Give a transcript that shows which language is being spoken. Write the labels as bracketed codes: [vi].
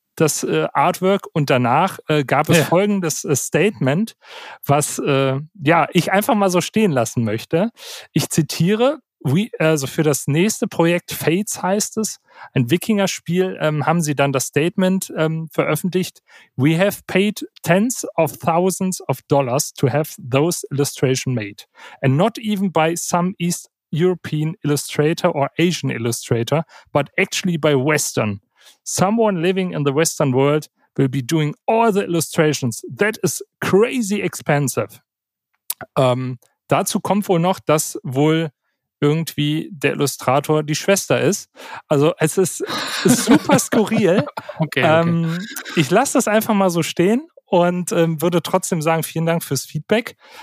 [de] Das Artwork und danach gab es folgendes Statement, was ich einfach mal so stehen lassen möchte. Ich zitiere, also für das nächste Projekt, Fates heißt es, ein Wikinger-Spiel, haben sie dann das Statement veröffentlicht. [en] We have paid tens of thousands of dollars to have those illustrations made. And not even by some East European illustrator or Asian illustrator, but actually by Western. Someone living in the Western world will be doing all the illustrations. That is crazy expensive. [de] Dazu kommt wohl noch, dass wohl irgendwie der Illustrator die Schwester ist. Also es ist super skurril. Okay. Ich lasse das einfach mal so stehen und würde trotzdem sagen, vielen Dank fürs Feedback.